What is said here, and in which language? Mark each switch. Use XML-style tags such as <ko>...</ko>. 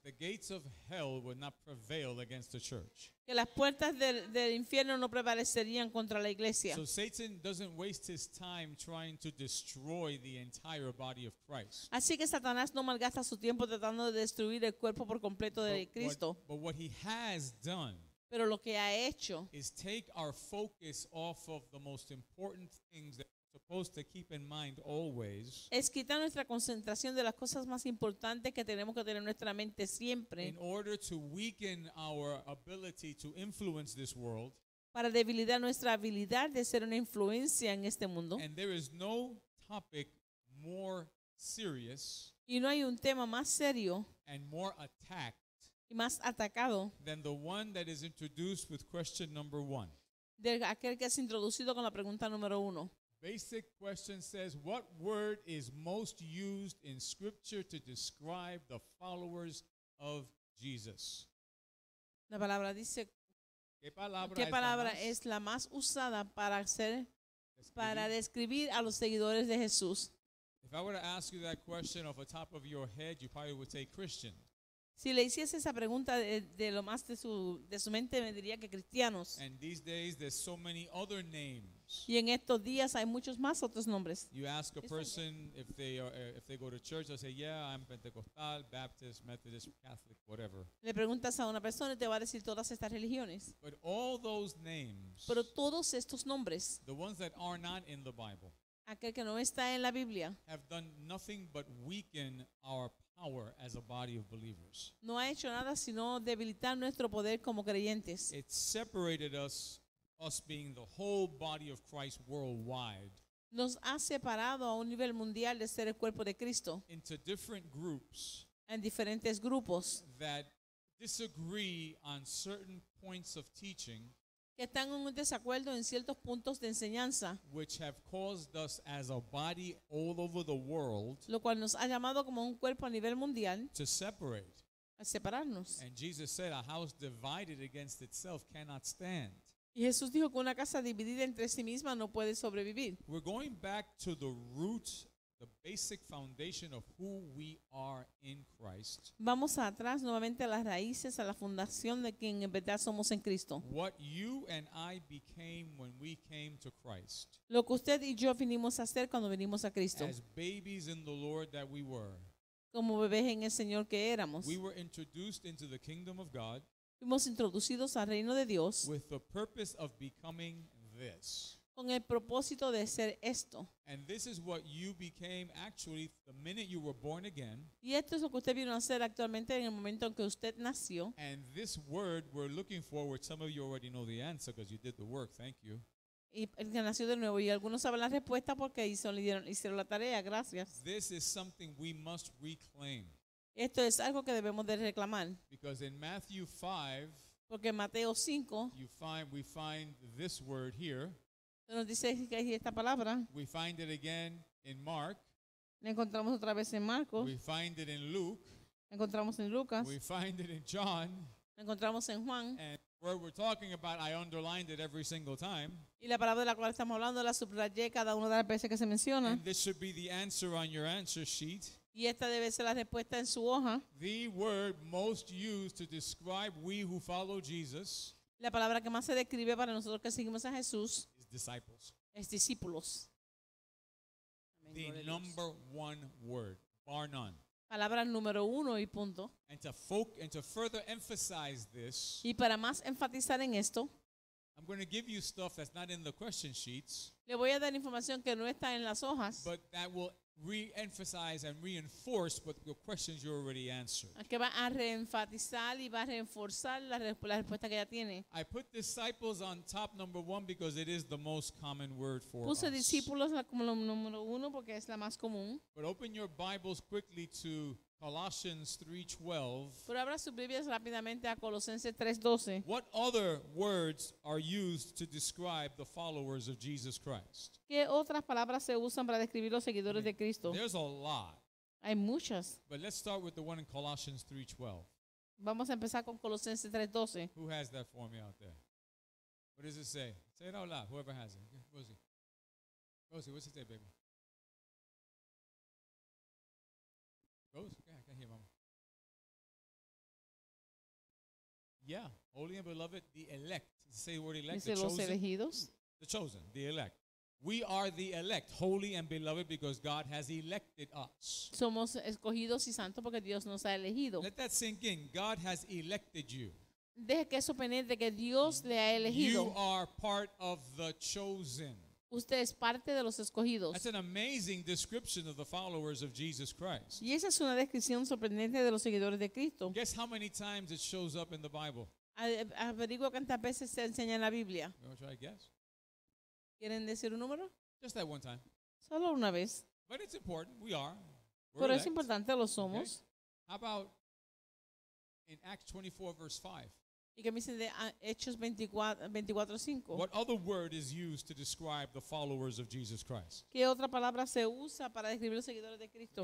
<en>That the gates of hell would not prevail against the church.</en> <es>Que las puertas del infierno no prevalecerían contra la iglesia.</es> <en>So Satan doesn't waste his time trying to destroy the entire body of Christ.</en> <es>Así que Satanás no malgasta su tiempo tratando de destruir el cuerpo por completo de Cristo.</es> <en>But what he has done,</en> <es>pero lo que ha hecho,</es> <en>is take our focus off of the most important things that supposed to keep in mind always,</en> <es>es quitar nuestra concentración de las cosas más importantes que tenemos que tener en nuestra mente siempre,</es> <en>in order to weaken our ability to influence this world,</en> <es>para debilitar nuestra habilidad de ser una influencia en este mundo.</es> <en>And there is no topic more serious,</en> <es>y no hay un tema más serio,</es> <en>and more attacked,</en> <es>y más atacado,</es> <en>than the one that is introduced with question number one,</en> <es>de aquel que es introducido con la pregunta número uno.</es> <en>Basic question says, what word is most used in Scripture to describe the followers of Jesus?</en> <es>La palabra dice, ¿Qué palabra es la más usada para describir a los seguidores de Jesús?</es> <en>If I were to ask you that question off the top of your head, you probably would say Christian.</en> <es>Si le hiciese esa pregunta de lo más de su mente, me diría que cristianos.</es> <en>And these days there's so many other names.</en> <es>Y en estos días hay muchos más otros nombres.</es> <en>You ask a person if they go to church, they'll say, yeah, I'm Pentecostal, Baptist, Methodist, Catholic, whatever.</en> <es>Le preguntas a una persona y te va a decir todas estas religiones.</es> <en>But all those names,</en> <es>pero todos estos nombres,</es> <en>the ones that are not in the Bible,</en> <es>aquel que no está en la Biblia,</es> <en>have done nothing but weaken our power as a body of believers.</en> <es>No ha hecho nada sino debilitar nuestro poder como creyentes.</es> <en>It separated us being the whole body of Christ worldwide.</en> <es>Nos ha separado a un nivel mundial de ser el cuerpo de Cristo.</es> <en>Into different groups.</en> <es>En diferentes grupos.</es> <en>That disagree on certain points of teaching.</en> <es>Que están en un desacuerdo en ciertos puntos de enseñanza.</es> <en>Which have caused us as a body all over the world.</en> <es>Lo cual nos ha llamado como un cuerpo a nivel mundial.</es> <en>To separate.</en> <es>A separarnos.</es> <en>And Jesus said, "A house divided against itself cannot stand."</en> <es>Y Jesús dijo que una casa dividida entre sí misma no puede sobrevivir.</es> <en>We're going back to the root, the basic foundation of who we are in Christ.</en> <es>Vamos atrás nuevamente a las raíces, a la fundación de quien en verdad somos en Cristo.</es> <en>What you and I became when we came to Christ.</en> <es>Lo que usted y yo vinimos a hacer cuando vinimos a Cristo.</es> <en>As babies in the Lord that we were.</en> <es>Como bebés en el Señor que éramos.</es> <en>We were introduced into the kingdom of God.</en> <es>Fuimos introducidos al reino de Dios</es> <en>with the purpose of becoming this.</en> <es>Con el propósito de ser esto.</es> <en>And this is what you became actually the minute you were born again.</en> <es>Y esto es lo que usted vino a ser actualmente en el momento en que usted nació.</es> <en>And this word we're looking forward, some of you already know the answer because you did the work, thank you.</en> <es>Y el que nació de nuevo, y algunos saben la respuesta porque hicieron la tarea, gracias.</es> <en>This is something we must reclaim.</en> <es>Esto es algo que debemos de reclamar.</es> <en>Because in Matthew 5,</en> <es>porque en Mateo 5,</es> <en>we find this word here.</en> <es>Nos dice que hay esta palabra.</es> <en>We find it again in Mark.</en> <es>Lo encontramos otra vez en Marcos.</es> <en>We find it in Luke.</en> <es>Lo encontramos en Lucas.</es> <en>We find it in John.</en> <es>Lo encontramos en Juan.</es> <en>And where we're talking about, I underlined it every single time.</en> <es>Y la palabra de la cual estamos hablando la subrayé cada una de las veces que se menciona.</es> <en>And this should be the answer on your answer sheet.</en> <es>Y esta debe ser la respuesta en su hoja.</es> <en>The word most used to describe we who follow Jesus.</en> <es>La palabra que más se describe para nosotros que seguimos a Jesús.</es> <en>Is disciples.</en> <es>Es discípulos.</es> <en>The number one word, bar none.</en> <es>Palabra número uno y punto.</es> <en>And to further emphasize this.</en> <es>Y para más enfatizar en esto.</es> <en>I'm going to give you stuff that's not in the question sheets.</en> <es>Le voy a dar información que no está en las hojas.</es> <en>But that will re-emphasize and reinforce what the questions you already answered.</en> <es>Que va a reenfatizar y va a reforzar la respuesta que ya tiene.</es> <en>I put disciples on top number one because it is the most common word for</en> <es>puse</es> <en>us.</en> <es>Puse discípulos como lo número uno porque es la más común.</es> <en>But open your Bibles quickly to Colossians 3:12.</en> <es>Pero abra sus Biblias rápidamente a Colosenses 3:12.</es> <en>What other words are used to describe the followers of Jesus Christ?</en> <es>¿Qué otras palabras se usan para describir los seguidores de Cristo?</es> <en>There's a lot.</en> <es>Hay muchas.</es> <en>But let's start with the one in Colossians 3:12.</en> <es>Vamos a empezar con Colosenses 3:12.</es> <en>Who has that for me out there? What does it say? Say it out loud, whoever has it. Rosie, what's it say, baby? Yeah, I can hear mama. Yeah, holy and beloved, the elect. Say the word elect, the</en> <es>los</es> <en>chosen.</en> <es>Elegidos?</es> <en>The chosen, the elect. We are the elect, holy and beloved, because God has elected us.</en> <es>Somos escogidos y santos porque Dios nos ha elegido.</es> <en>Let that sink in. God has elected you.</en> <es>Deje que eso penetre que Dios le ha elegido.</es> <en>You are part of the chosen.</en> <es>Usted es parte de los escogidos.</es> <en>That's an amazing description of the followers of Jesus Christ.</en> <es>Y esa es una descripción sorprendente de los seguidores de Cristo.</es> <en>Guess how many times it shows up in the Bible.</en> <es>Averigua cuántas veces se enseña en la Biblia.</es> <en>You want to try a guess?</en> <es>¿Quieren decir un número?</es> <en>Just that one time.</en> <es>Solo una vez.</es> <en>But it's important. We are. We're</en> <es>pero</es> <en>elect.</en> <es>Es importante, lo somos.</es> <en>Okay. How about in Acts 24, verse 5?</en> <es>Y que me dicen de Hechos 24:5.</es> <en>What other word is used to describe the followers of Jesus Christ?</en> <es>¿Qué otra palabra se usa para describir los seguidores de Cristo?</es>